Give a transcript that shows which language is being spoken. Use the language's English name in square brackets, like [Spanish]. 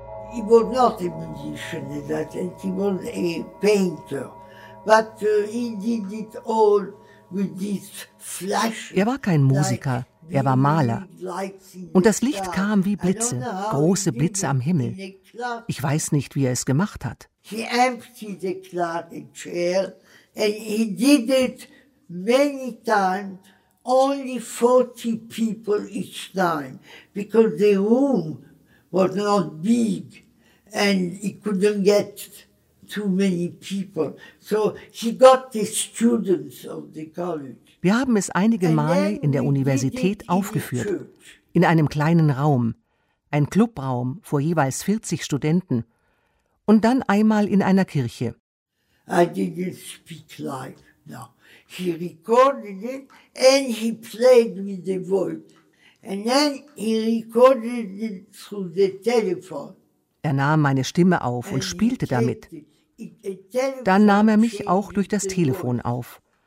[English] He was not a musician, that he was a painter. But he did it all with this flash. [German] Er war kein Musiker, er war Maler. Und das Licht kam wie Blitze, große Blitze am Himmel. Ich weiß nicht, wie er es gemacht hat. [English] He emptied the club in chair and he did it many times, only 40 people each time, because the room was not big and he couldn't get too many people. So he got the students of the college. [German] Wir haben es einige Male in der Universität aufgeführt, in einem kleinen Raum, ein Clubraum vor jeweils 40 Studenten und dann einmal in einer Kirche. [English] I didn't speak live, no. He recorded it and he played with the voice. And then he recorded it through the telephone. [German] Er nahm meine Stimme auf und spielte damit. Dann nahm er mich auch durch das Telefon auf.